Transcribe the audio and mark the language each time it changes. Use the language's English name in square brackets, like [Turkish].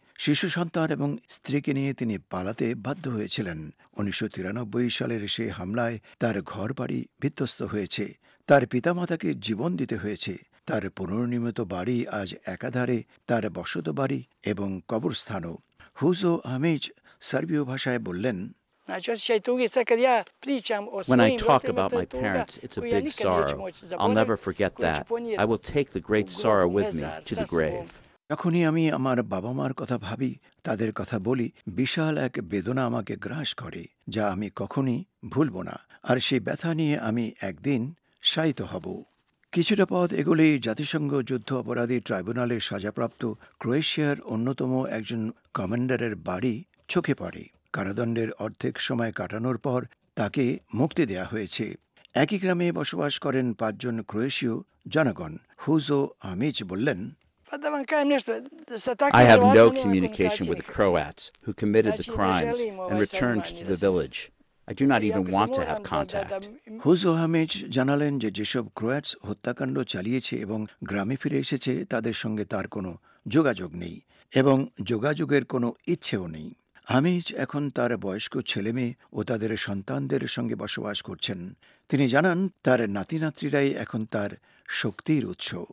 [Bangla] শিশু সন্তান এবং স্ত্রীকে নিয়ে তিনি পালাতে বাধ্য হয়েছিলেন। ১৯৯৩ সালের সেই হামলায় তার ঘরবাড়ি বিধ্বস্ত হয়েছে, তার পিতামাতাকে জীবন দিতে হয়েছে, তার পুনর্নির্মিত বাড়ি আজ একাধারে তার বসত বাড়ি এবং কবরস্থানও। হুসো আহমিজ সার্বীয় ভাষায় বললেন, [English] When I talk about my parents, it's a big sorrow. I'll never forget that. I will take the great sorrow with me to the grave. [Bangla] যখনই আমি আমার বাবা মার কথা ভাবি, তাদের কথা বলি, বিশাল এক বেদনা আমাকে গ্রাস করে যা আমি কখনই ভুলব না, আর সেই ব্যথা নিয়ে আমি একদিন শায়িত হব। কিছুটা পথ এগোলে জাতিসংঘ যুদ্ধ অপরাধী ট্রাইব্যুনালে সাজাপ্রাপ্ত ক্রোয়েশিয়ার অন্যতম একজন কমান্ডারের বাড়ি চোখে পড়ে। কারাদণ্ডের অর্ধেক সময় কাটানোর পর তাকে মুক্তি দেয়া হয়েছে। একই গ্রামে বসবাস করেন পাঁচজন ক্রোয়েশীয় জনগণ। হুজো আমিজ বললেন, [English] I have no communication with the Croats who committed the crimes and returned to the village. I do not even want to have contact. [Bangla] হুজো আমিজ জানালেন যে যেসব ক্রোয়াটস হত্যাকাণ্ড চালিয়েছে এবং গ্রামে ফিরে এসেছে, তাদের সঙ্গে তার কোনো যোগাযোগ নেই এবং যোগাযোগের কোনো ইচ্ছেও নেই। আমিজ এখন তার বয়স্ক ছেলেমেয়ে ও তাদের সন্তানদের সঙ্গে বসবাস করছেন। তিনি জানান, তার নাতিনাত্রীরাই এখন তার শক্তির উৎস।